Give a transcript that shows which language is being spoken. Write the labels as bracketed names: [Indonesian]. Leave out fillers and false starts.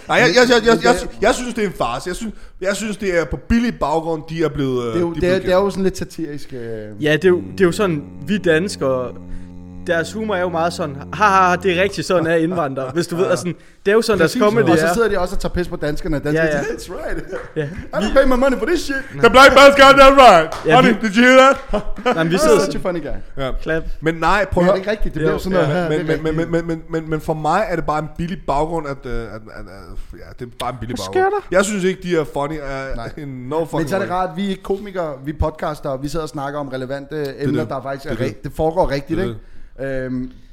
[Danish] Nej, jeg synes, det er en farse. Jeg synes, det er på billig baggrund, de er blevet... Det er jo sådan lidt satirisk... Ja, det er jo sådan, vi danskere. Deres humor er jo meget sådan, haha, det er rigtig sådan af indvandrere, hvis du ved, altså, det er jo sådan, deres comedy er. Og så sidder de også og tager pis på danskerne, og danskerne siger, [English] that's right, yeah. I don't pay my money for this shit. The black man's got that right, yeah, honey, did you hear that? [Danish] Nej, vi sidder [English] such a funny guy. [Danish] Clap. Men nej, prøv at høre. Det er rigtigt, det bliver sådan noget. Men for mig er det bare en billig baggrund, at det er bare en billig baggrund. Hvad sker der? Jeg synes ikke, de er funny. Men så er det rart, vi er komikere, vi er podcastere, vi sidder og snakker om relevante emner, der faktisk er rigtigt. Det foregår rigtigt, ikke?